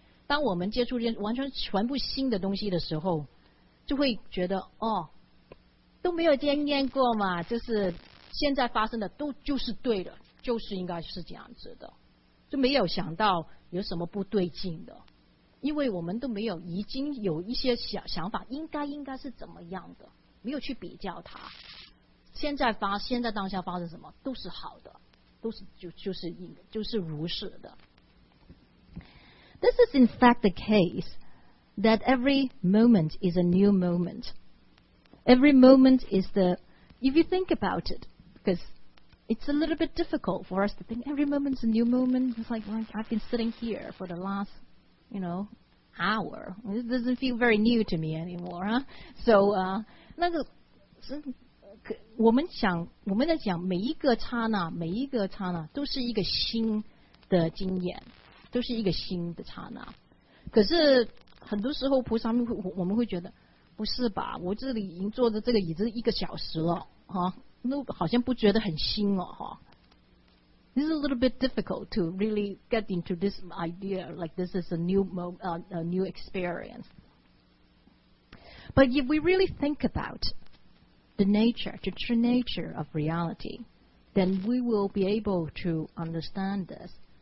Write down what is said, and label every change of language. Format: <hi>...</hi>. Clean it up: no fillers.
<zh>当我们接触这完全全部新的东西的时候，就会觉得哦，都没有经验过嘛，就是现在发生的都就是对的，就是应该是这样子的，就没有想到有什么不对劲的，因为我们都没有已经有一些想法，应该是怎么样的，没有去比较它。现在当下发生什么都是好的，都是就是如是的。</zh> <en>This is in fact the case that every moment is a new moment. Every moment is the, if you think about it, because it's a little bit difficult for us to think every moment is a new moment. It's like, well, I've been sitting here for the last, you know, hour. It doesn't feel very new to me anymore, huh?</en> <zh>So, 那个是我们在讲每一个刹那都是一个新的经验，都是一个新的刹那。可是很多时候菩萨们我们会觉得，不是吧，我这里已经坐着这个椅子一个小时了，那好像不觉得很新哦。</zh> <en>This is a little bit difficult to really get into this idea, like this is a new experience. But if we really think about the nature, the true nature of reality, then we will be able to understand this.</en>